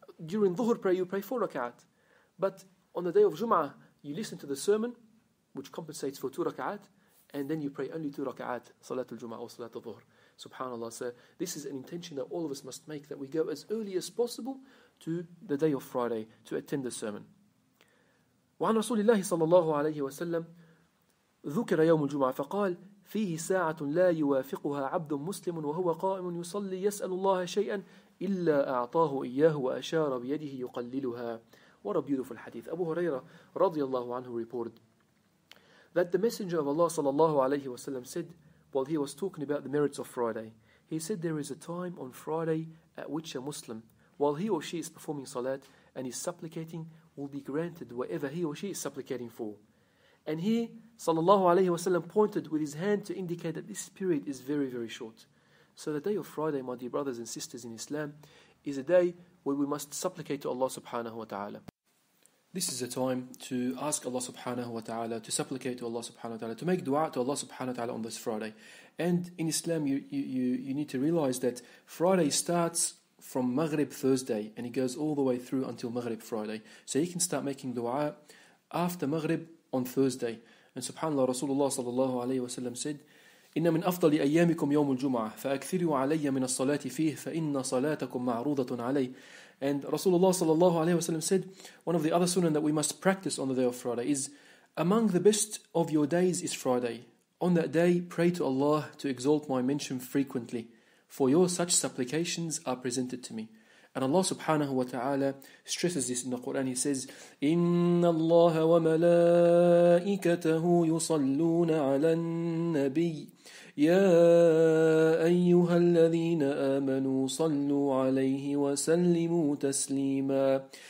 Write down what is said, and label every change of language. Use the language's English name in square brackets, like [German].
[English] During dhuhr prayer, you pray 4 raka'at. But on the day of Jumu'ah, you listen to the sermon, which compensates for 2 raka'at, and then you pray only 2 raka'at, salatul Jumu'ah or salatul dhuhr. SubhanAllah, so this is an intention that all of us must make, that we go as early as possible to the day of Friday to attend the sermon. [Arabic] وعن رسول الله صلى الله عليه وسلم ذكر يوم الجمعة فقال فيه ساعة لا يوافقها عبد مسلم وهو قائم يصلي يسأل الله شيئا إلا أعطاه إياه وأشار بيده يقللها. [English] What a beautiful hadith. Abu Huraira [Arabic] رضي الله عنه [English] reported that the Messenger of Allah [Arabic] صلى الله عليه وسلم [English] said, while he was talking about the merits of Friday, he said there is a time on Friday at which a Muslim, while he or she is performing salat and is supplicating, will be granted whatever he or she is supplicating for. And he, sallallahu alayhi wasallam, pointed with his hand to indicate that this period is very, very short. So the day of Friday, my dear brothers and sisters in Islam, is a day where we must supplicate to Allah subhanahu wa ta'ala. This is a time to ask Allah subhanahu wa ta'ala, to supplicate to Allah subhanahu wa ta'ala, to make dua to Allah subhanahu wa ta'ala on this Friday. And in Islam, you need to realize that Friday starts from Maghrib Thursday, and it goes all the way through until Maghrib Friday. So you can start making dua after Maghrib on Thursday. And subhanAllah, Rasulullah sallallahu alayhi wa sallam said, [Arabic] إِنَّ مِنْ أَفْضَلِ أَيَّامِكُمْ يَوْمُ الْجُمْعَةِ فَأَكْثِرُوا عَلَيَّ مِنَ الصَّلَاةِ فِيهِ فَإِنَّ صَلَاتَكُمْ مَعْرُوضَةٌ عَلَيْهِ. [English] And Rasulullah sallallahu alayhi wa sallam said, one of the other sunnah that we must practice on the day of Friday is, among the best of your days is Friday. On that day, pray to Allah to exalt my mention frequently, for your such supplications are presented to me. And Allah subhanahu wa ta'ala stresses this in the Quran. He says, [Arabic] إِنَّ اللَّهَ وَمَلَائِكَتَهُ يُصَلُّونَ عَلَى النَّبِيِّ يَا أَيُّهَا الَّذِينَ آمَنُوا صَلُّوا عَلَيْهِ وَسَلِّمُوا تَسْلِيمًا.